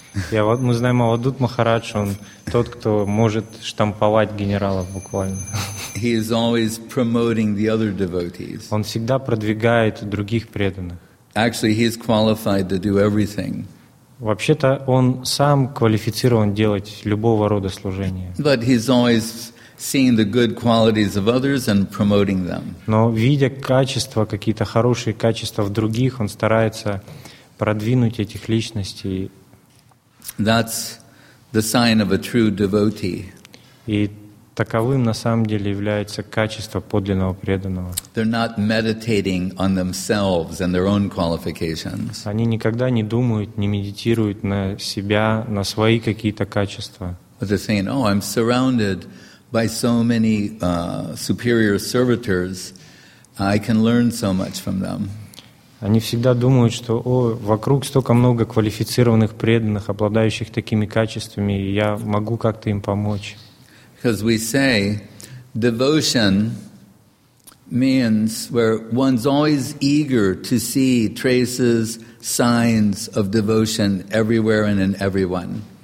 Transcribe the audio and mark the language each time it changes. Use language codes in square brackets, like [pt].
[ru] Я вот мы знаем Avadhut Maharaj, он тот, кто может штамповать генералов буквально. [en] He is always promoting the other devotees. [ru] Он всегда продвигает других преданных. [en] Actually, he is qualified to do everything. [ru] Вообще-то он сам квалифицирован делать любого рода служение. [en] But he's always seeing the good qualities of others and promoting them. [ru] Но видя качества, какие-то хорошие качества в других, он старается продвинуть этих личностей. [en] That's the sign of a true devotee. [ru] И таковым на самом деле является качество подлинного преданного. [en] They're not meditating on themselves and their own qualifications. [ru] Они никогда не думают, не медитируют на себя, на свои какие-то качества. [en] But they're saying, "Oh, I'm surrounded by so many superior servitors, I can learn so much from them." [ru] Они всегда думают, что о, вокруг столько много квалифицированных преданных, обладающих такими качествами, и я могу как-то им помочь. [en] Because we say devotion means where one's always eager to see traces, signs of devotion everywhere and in everyone.